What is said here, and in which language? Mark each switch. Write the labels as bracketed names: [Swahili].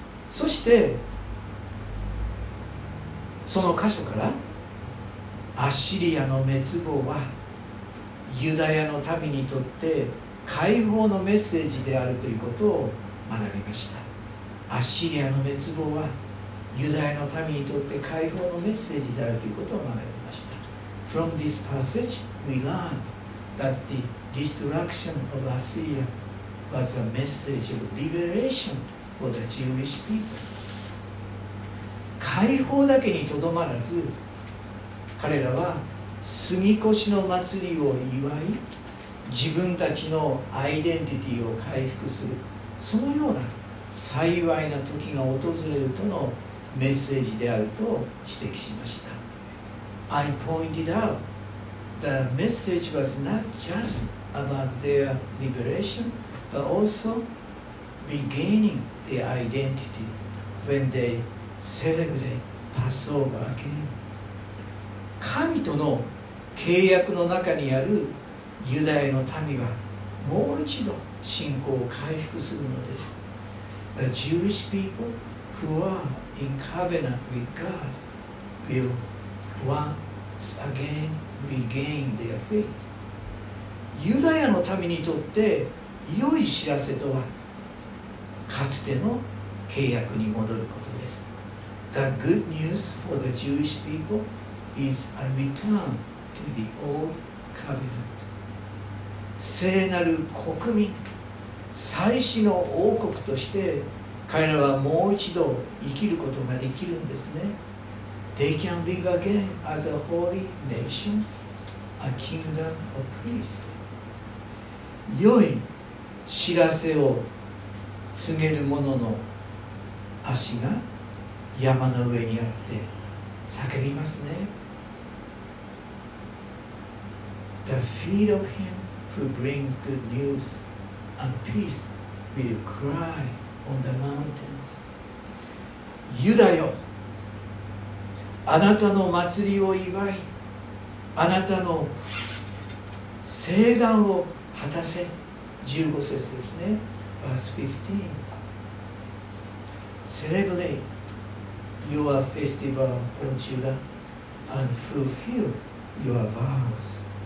[Japanese] そしてその箇所から、アッシリアの滅亡はユダヤの民にとって解放のメッセージであるということを学びました。アッシリアの滅亡はユダヤの民にとって解放のメッセージであるということを学びました。 [English] From this passage we learned that theDestruction of Assyria was a message of liberation for the Jewish people。 [Japanese] 解放だけにとどまらず、彼らは過ぎ越しの祭りを祝い、自分たちのアイデンティティを回復する、そのような幸いな時が訪れるとのメッセージであると指摘しました。 [English] I pointed out the message was not justabout their liberation, but also regaining their identity when they celebrate Passover again。 [Japanese] 神との契約の中にあるユダヤの民はもう一度信仰を回復するのです。 [English] The Jewish people who are in covenant with God will once again regain their faith [Japanese] ユダヤの民にとって良い知らせとは、かつての契約に戻ることです。 [English] The good news for the Jewish people is a return to the old covenant。 [Japanese] 聖なる国民、祭司の王国として彼らはもう一度生きることができるんですね。 [English] They can live again as a holy nation, a kingdom of priests。 [Japanese] 良い知らせを告げる者の足が山の上にあって叫びますね。 [English] The feet of him who brings good news and peace will cry on the mountains。 [Japanese] ユダよ、あなたの祭りを祝い、あなたの誓願を果たせ。 15節ですね。 [English] Verse 15。 Celebrate your festival, O Judah, and fulfill your vows。